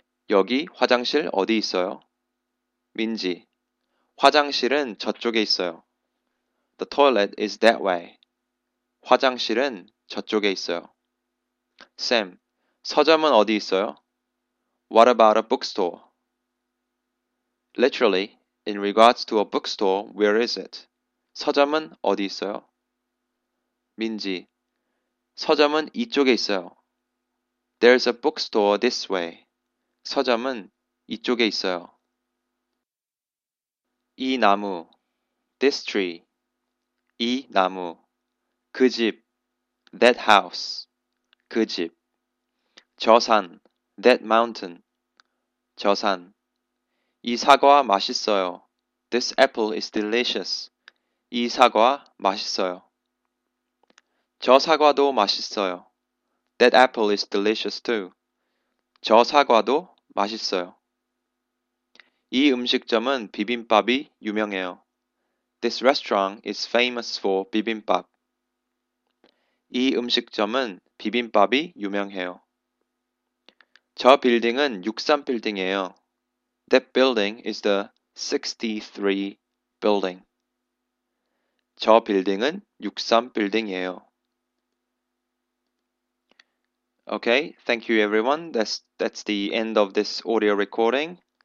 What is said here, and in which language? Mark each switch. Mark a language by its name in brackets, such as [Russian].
[Korean] 여기 화장실 어디 있어요? 민지, 화장실은 저쪽에 있어요. [English] The toilet is that way. [Korean] 화장실은 저쪽에 있어요. Sam, 서점은 어디 있어요? [English] What about a bookstore? Literally, in regards to a bookstore, where is it? [Korean] 서점은 어디 있어요? 민지, 서점은 이쪽에 있어요. [English] There's a bookstore this way. [Korean] 서점은 이쪽에 있어요. 이 나무, [English] this tree. [Korean] 이 나무, 그 집, [English] that house. [Korean] 그 집. 저 산, [English] that mountain. [Korean] 저 산. 이 사과 맛있어요. [English] This apple is delicious. [Korean] 이 사과 맛있어요. 저 사과도 맛있어요. [English] That apple is delicious too. [Korean] 저 사과도 맛있어요. 이 음식점은 비빔밥이 유명해요. [English] This restaurant is famous for 비빔밥. [Korean] 이 음식점은 비빔밥이 유명해요. 저 빌딩은 63 빌딩이에요. [English] That building is the 63 building. [Korean] 저 빌딩은 63 빌딩이에요. [English] Okay, thank you everyone. That's the end of this audio recording.